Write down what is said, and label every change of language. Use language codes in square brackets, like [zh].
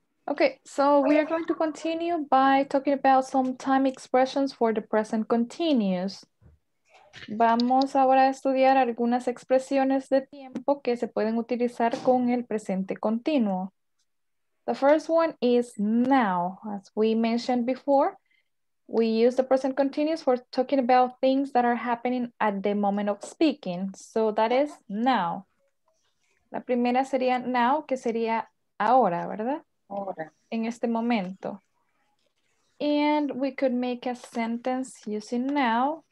[en] Okay, so we are going to continue by talking about some time expressions for the present continuous. [es] Vamos ahora a estudiar algunas expresiones de tiempo que se pueden utilizar con el presente continuo. [en] The first one is now. As we mentioned before, we use the present continuous for talking about things that are happening at the moment of speaking. So that is now. [es] La primera sería [en] now, [es] que sería ahora, ¿verdad? Ahora. En este momento. [en] And we could make a sentence using now.